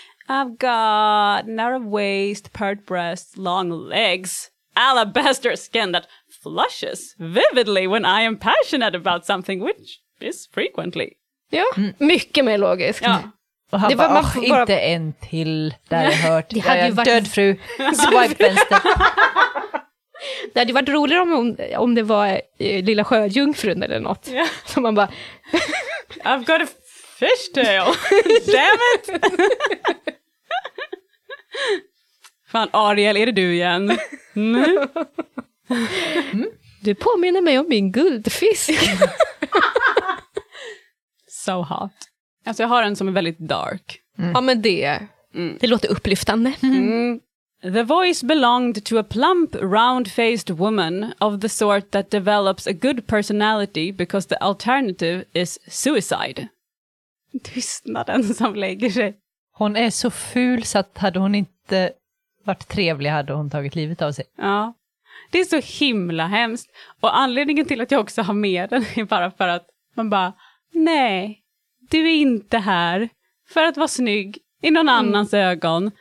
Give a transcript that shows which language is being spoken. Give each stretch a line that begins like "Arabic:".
English: I've got narrow waist, pert breasts, long legs, alabaster skin that flushes vividly when I am passionate about something, which is frequently.
Swedish: Ja, mycket mer logiskt. Ja. Och han bara, inte en till där jag hört. Det hade ju varit... död fru, swipe vänster. Det hade varit roligare om det var lilla sjöjungfrun eller något. Ja. Så man bara...
English: I've got a fishtail, damn it!
Swedish: Fan, Ariel, är det du igen? Mm. Du påminner mig om min guldfisk.
English: So hot.
Swedish: Alltså jag har en som är väldigt dark. Mm. Ja, men det låter upplyftande. Mm.
English: The voice belonged to a plump, round-faced woman of the sort that develops a good personality because the alternative is suicide.
Swedish: Tystnaden som lägger sig. Hon är så ful så att hade hon inte varit trevlig hade hon tagit livet av sig. Ja, det är så himla hemskt. Och anledningen till att jag också har med den är bara för att man bara, nej, du är inte här för att vara snygg i någon annans ögon.